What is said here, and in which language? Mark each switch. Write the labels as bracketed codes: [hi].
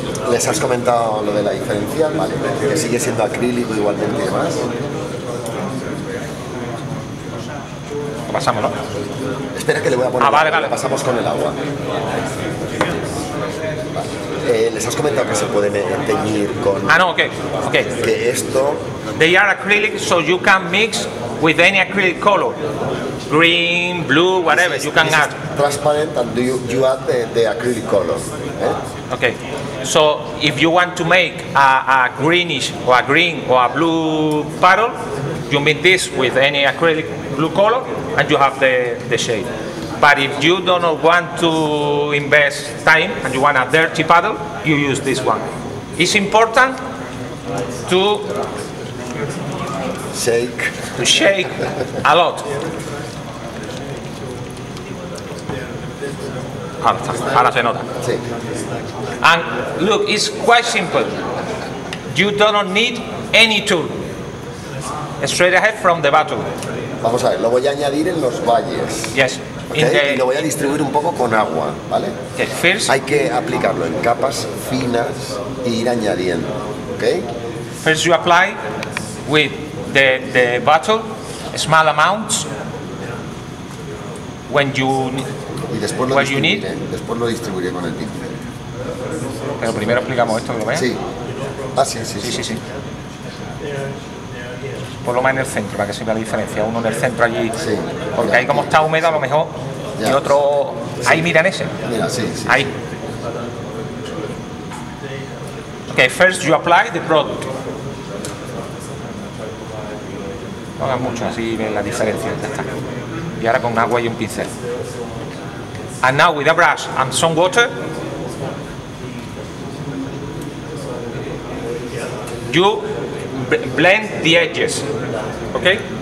[es] Les has comentado lo de la diferencia, vale, que sigue siendo acrílico igualmente y demás. Lo pasamos, ¿no? Espera que le voy a poner. Ah, vale. Lo pasamos con el agua. Vale. Les has comentado que se puede teñir con. Ah, no, ok. Que esto. [en] They are acrylic, so you can mix with any acrylic color. Green, blue, whatever, you can add. Transparent, and you add the acrylic color. Eh? Okay, so if you want to make a greenish or a green or a blue puddle, you mix this with any acrylic blue color and you have the shade. But if you do not want to invest time and you want a dirty puddle, you use this one. It's important to shake. To shake a lot. [es] ahora se nota. Sí. [en] And look, it's quite simple. You do not need any tool. Straight ahead from the battle. [es] Vamos a ver, lo voy a añadir en los valles. [en] Yes. [es] Okay, y lo voy a distribuir un poco con agua, ¿vale? [en] Okay, first, [es] hay que aplicarlo en capas finas e ir añadiendo, ¿okay? [en] First you apply with the bottle, small amounts, when you [es] y después lo, [en] what you need. [es] Después lo distribuiré con el pincel. Pero primero aplicamos esto, ¿lo ves? Sí. Ah, sí, sí, sí. Sí, sí, sí. Por lo más en el centro, para que se vea la diferencia, uno en el centro allí, sí, porque ahí como está húmedo a lo mejor, ya, y otro, sí, ahí mira en ese, mira, sí, sí, ahí. [en] Ok, first you apply the product. [es] No hagas mucho, así ven la diferencia, ya está. Y ahora con agua y un pincel. [en] And now with a brush and some water, you blend the edges, okay?